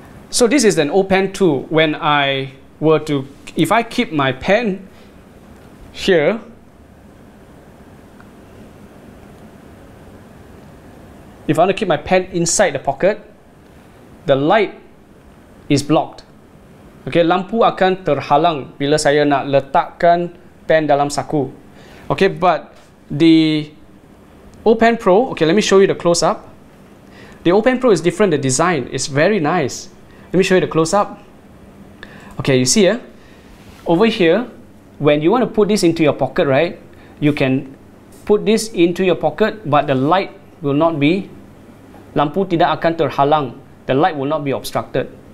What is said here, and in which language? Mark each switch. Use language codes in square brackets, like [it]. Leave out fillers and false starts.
[en] So this is an Open 2. When I were to, if I keep my pen here, if I want to keep my pen inside the pocket, the light is blocked. [ms] Okay, lampu akan terhalang bila saya nak letakkan pen dalam saku. [en] Okay, but the Open Pro, okay, let me show you the close up. The Open Pro is different, the design is very nice. Let me show you the close-up. Okay, you see, over here, when you want to put this into your pocket, right, you can put this into your pocket, but the light will not be, [ms] lampu tidak akan terhalang, [en] the light will not be obstructed.